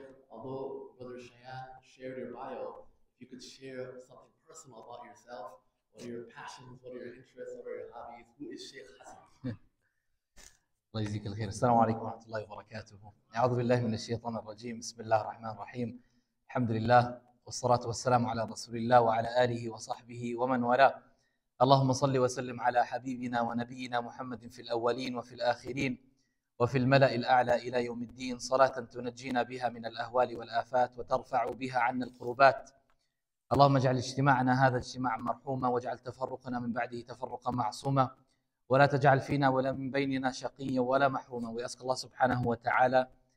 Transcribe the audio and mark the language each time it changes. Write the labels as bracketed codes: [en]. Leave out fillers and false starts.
[en] Although Brother Shayan shared your bio, if you could share something personal about yourself, what are your passions, what are your interests, what are your hobbies, who is Sheikh Hasan? [ar] الله يجزيك الخير. السلام عليكم ورحمة الله وبركاته. أعوذ بالله من الشيطان الرجيم. بسم الله الرحمن الرحيم. الحمد لله والصلاة والسلام على رسول الله وعلى آله وصحبه ومن والاه. اللهم صل وسلم على حبيبنا ونبينا محمد في الأولين وفي الآخرين. وفي الملأ الأعلى إلى يوم الدين صلاة تنجينا بها من الأهوال والآفات وترفع بها عنا القربات اللهم اجعل اجتماعنا هذا اجتماعا مرحوما واجعل تفرقنا من بعده تفرقا معصوما ولا تجعل فينا ولا من بيننا شقيا ولا محروما [en] We ask Allah subhanahu wa ta'ala